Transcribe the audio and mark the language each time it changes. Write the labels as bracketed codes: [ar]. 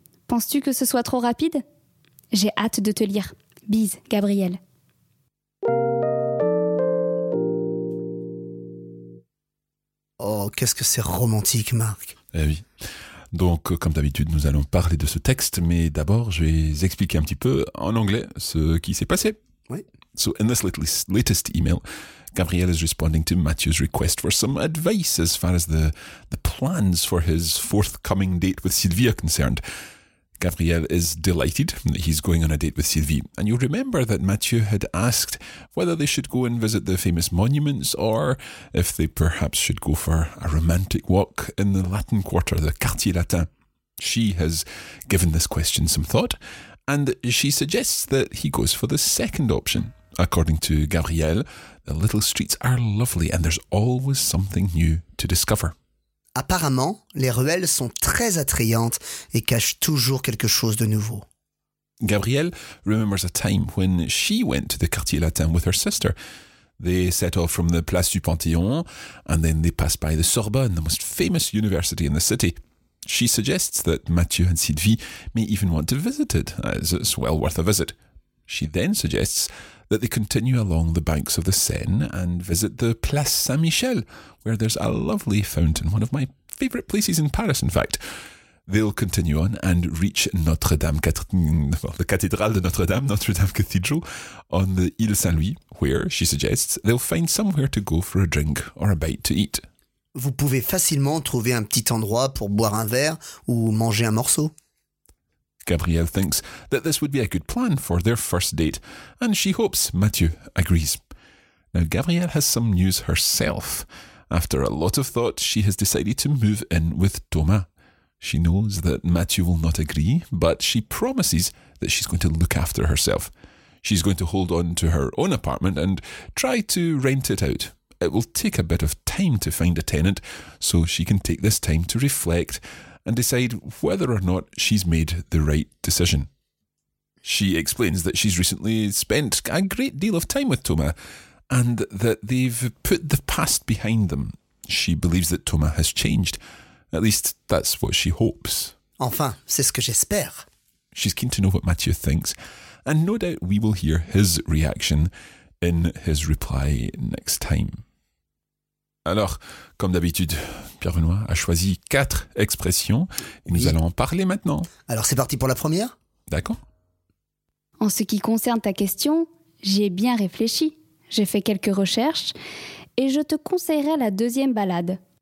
[fr] Penses-tu que ce soit trop rapide? J'ai hâte de te lire. Bise, Gabriel. Oh, qu'est-ce que c'est romantique, Marc. Eh oui. Donc, comme d'habitude, nous allons parler de ce texte, mais d'abord, je vais expliquer un petit peu en anglais ce qui s'est passé. Oui. [en] So, in this latest email, Gabriel is responding to Mathieu's request for some advice as far as the plans for his forthcoming date with Sylvie are concerned. Gabriel is delighted that he's going on a date with Sylvie. And you'll remember that Mathieu had asked whether they should go and visit the famous monuments or if they perhaps should go for a romantic walk in the Latin Quarter, the Quartier Latin. She has given this question some thought, and she suggests that he goes for the second option. According to Gabriel, the little streets are lovely and there's always something new to discover. [fr] Apparemment, les ruelles sont très attrayantes et cachent toujours quelque chose de nouveau. [en] Gabrielle remembers a time when she went to the Quartier Latin with her sister. They set off from the Place du Panthéon and then they passed by the Sorbonne, the most famous university in the city. She suggests that Mathieu and Sylvie may even want to visit it, as it's well worth a visit. She then suggests that they continue along the banks of the Seine and visit the Place Saint-Michel, where there's a lovely fountain, one of my favourite places in Paris, in fact. They'll continue on and reach the Cathedral de Notre-Dame Cathedral, on the Île Saint-Louis, where, she suggests, they'll find somewhere to go for a drink or a bite to eat. [fr] Vous pouvez facilement trouver un petit endroit pour boire un verre ou manger un morceau. [en] Gabrielle thinks that this would be a good plan for their first date, and she hopes Mathieu agrees. Now, Gabrielle has some news herself. After a lot of thought, she has decided to move in with Thomas. She knows that Mathieu will not agree, but she promises that she's going to look after herself. She's going to hold on to her own apartment and try to rent it out. It will take a bit of time to find a tenant, so she can take this time to reflect and decide whether or not she's made the right decision. She explains that she's recently spent a great deal of time with Thomas and that they've put the past behind them. She believes that Thomas has changed. At least, that's what she hopes. [fr] Enfin, c'est ce que j'espère. [en] She's keen to know what Mathieu thinks, and no doubt we will hear his reaction in his reply next time. [fr] Alors, comme d'habitude, Pierre Benoît a choisi quatre expressions et oui. Nous allons en parler maintenant. Alors c'est parti pour la première. D'accord. En ce qui concerne ta question, j'y ai bien réfléchi. J'ai fait quelques recherches et je te conseillerais la deuxième balade.